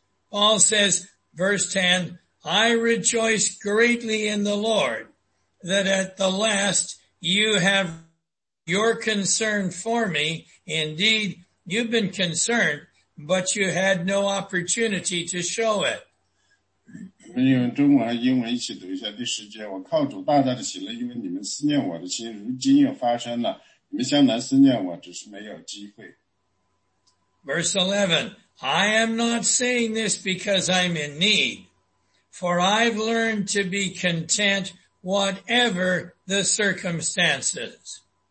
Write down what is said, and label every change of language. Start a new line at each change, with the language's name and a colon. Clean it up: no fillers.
English: Paul says, verse 10, I rejoice greatly in the Lord that at the last you have your concern for me. Indeed, you've been concerned, but you had no opportunity to show it.
Chinese: 你们用中文和英文一起读一下第十节，我靠主大大的喜乐，因为你们思念我的心，如今又发生了，你们向南思念我，只是没有机会。
English: Verse 11, I am not saying this because I'm in need, for I've learned to be content whatever the circumstances.